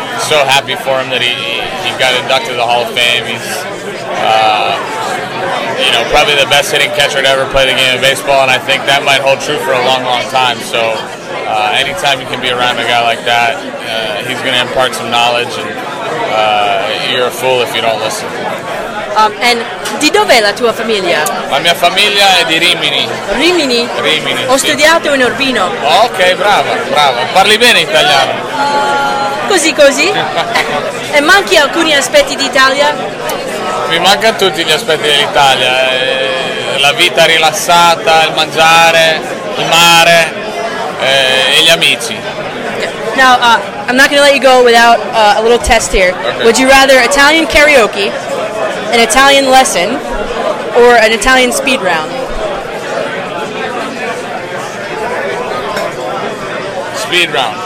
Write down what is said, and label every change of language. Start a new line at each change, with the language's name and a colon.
English: So happy for him that he got inducted to the Hall of Fame. He's you know, probably the best hitting catcher to ever play the game of baseball, and I think that might hold true for a long, long time. So anytime you can be around a guy like that, he's going to impart some knowledge, and you're a fool if you don't listen. And
Italian: di dove è la tua famiglia? La mia famiglia è di Rimini. Rimini? Rimini, ho studiato in Urbino. Ok, brava, brava. Parli bene italiano. Così, così. E manchi alcuni aspetti d'Italia? Mi mancano tutti gli aspetti dell'Italia. La vita rilassata, il mangiare, il mare, e gli amici.
English: Now, I'm not going to let you go without a little test here. Okay. Would you rather Italian karaoke, an Italian lesson, or an Italian speed round? Speed round.